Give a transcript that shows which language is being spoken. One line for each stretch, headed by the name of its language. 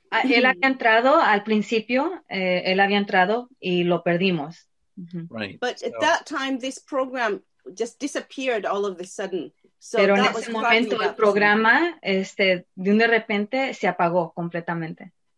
Spanish: Él había entrado al principio, él había entrado y lo perdimos.
English: Mm-hmm. Right. But at that time, this program just disappeared all of a sudden. So
Spanish: pero
English: that
Spanish: en ese momento el programa de repente se apagó completamente.